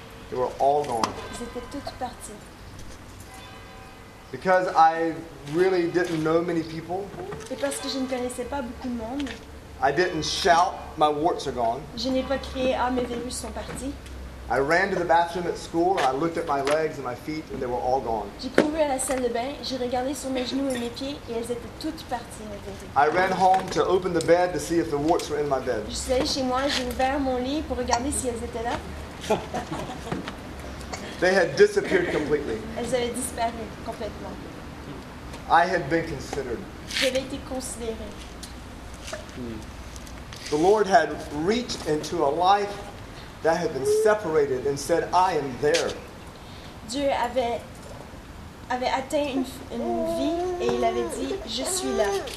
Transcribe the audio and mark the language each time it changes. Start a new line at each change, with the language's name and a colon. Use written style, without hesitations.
English: They were all gone.
French: Ils étaient toutes parties.
English: Because I really didn't know many people.
French: Et parce que je ne connaissais pas beaucoup de monde.
English: I didn't shout, my warts are gone.
French: Je n'ai pas crié, ah, mes verrues sont parties.
English: I ran to the bathroom at school and I looked at my legs and my feet and they were all gone.
French: J'ai couru à la salle de bain, j'ai regardé sur mes genoux et mes pieds et elles étaient toutes parties.
English: I ran home to open the bed to see if the warts were in my bed.
French: Je suis allée chez moi, j'ai ouvert mon lit pour regarder si elles étaient là.
English: They had disappeared completely.
French: Elles avaient disparu complètement.
English: I had been considered.
French: J'avais été considérée.
English: The Lord had reached into a life that had been separated and said, I am there.
French: Dieu avait atteint une vie et il avait dit, je suis là.